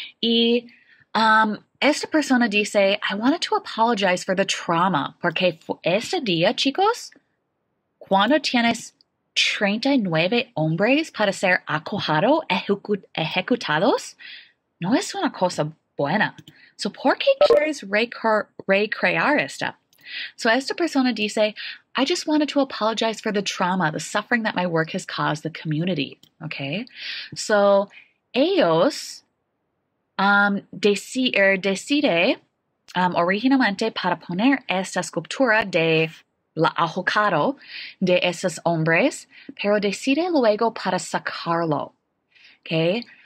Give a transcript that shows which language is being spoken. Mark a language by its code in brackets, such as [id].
[es] Y esta persona dice, [en] I wanted to apologize for the trauma. [es] Porque este día, chicos, cuando tienes 39 hombres para ser acojados, ejecutados, no es una cosa buena. ¿Por qué quieres recrear esta? Esta persona dice, [en] I just wanted to apologize for the trauma, the suffering that my work has caused the community. Okay? [es] Ellos decide originalmente para poner esta escultura de la ahorcado de esos hombres, pero decide luego para sacarlo. Okay?